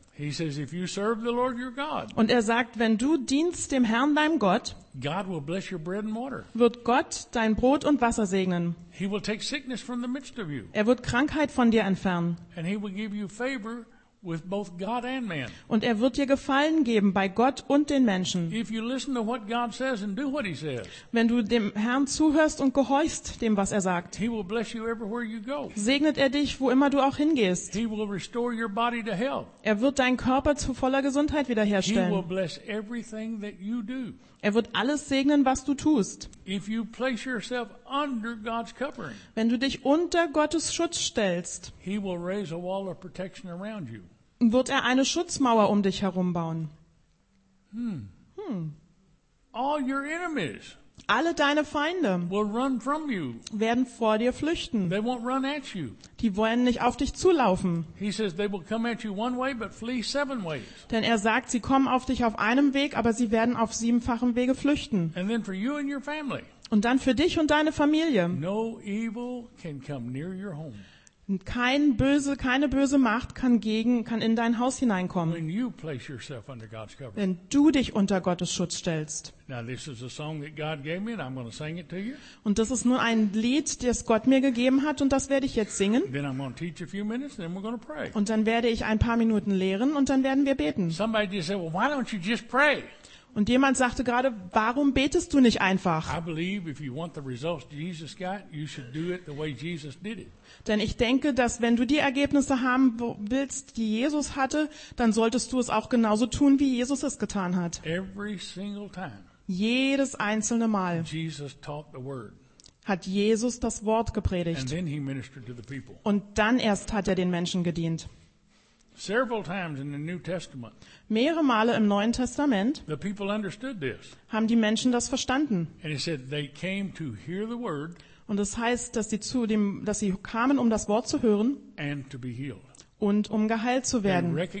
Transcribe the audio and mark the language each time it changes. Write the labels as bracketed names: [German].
[English] He says, if you serve the Lord your God, [German] und er sagt, wenn du dienst dem Herrn, deinem Gott, [English] God will bless your bread and water. [German] Wird Gott dein Brot und Wasser segnen. [English] He will take sickness from the midst of you. [German] Er wird Krankheit von dir entfernen. [English] And he will give you favor with both God and man. [German] Und er wird dir Gefallen geben bei Gott und den Menschen. [English] If you listen to what God says and do what he says, [German] wenn du dem Herrn zuhörst und gehorchst dem, was er sagt, [English] he will bless you everywhere you go. [German] Segnet er dich, wo immer du auch hingehst. [English] He will restore your body to health. [German] Er wird deinen Körper zu voller Gesundheit wiederherstellen. [English] He will bless everything that you do. [German] Er wird alles segnen, was du tust. [English] If you place yourself under God's covering, [German] wenn du dich unter Gottes Schutz stellst, [English] he will raise a wall of protection around you. [German] Wird er eine Schutzmauer um dich herum bauen. [English] All your enemies, [German] alle deine Feinde, [English] will run from you. [German] Werden vor dir flüchten. [English] They won't run at you. [German] Die wollen nicht auf dich zulaufen. [English] He says they will come at you one way, but flee seven ways. [German] Denn er sagt, sie kommen auf dich auf einem Weg, aber sie werden auf siebenfachen Wege flüchten. [English] And then for you and your family, [German] und dann für dich und deine Familie. [English] No evil can come near your home. [German] Keine böse Macht kann in dein Haus hineinkommen, [English] when you place yourself under God's cover. [German] Wenn du dich unter Gottes Schutz stellst. [English] Now this is a song that God gave me and I'm going to sing it to you. [German] Und das ist nur ein Lied, das Gott mir gegeben hat und das werde ich jetzt singen. [English] Then I'm going to teach a few minutes and then we're going to pray. [German] Und dann werde ich ein paar Minuten lehren und dann werden wir beten. [English] Somebody just said, well, why don't you just pray? [German] Und jemand sagte gerade, warum betest du nicht einfach? [English] I believe if you want the results Jesus got, you should do it the way Jesus did it. [German] Denn ich denke, dass wenn du die Ergebnisse haben willst, die Jesus hatte, dann solltest du es auch genauso tun, wie Jesus es getan hat. [English] Every single time. [German] Jedes einzelne Mal. [English] Jesus taught the word. [German] Hat Jesus das Wort gepredigt. [English] And then he ministered to the people. [German] Und dann erst hat er den Menschen gedient. [English] Several times in the New Testament. [German] Mehrere Male im Neuen Testament. [English] The people understood this. [German] Haben die Menschen das verstanden? [English] And it said they came to hear the word. [German] Und es heißt, dass sie kamen, um das Wort zu hören und um geheilt zu werden.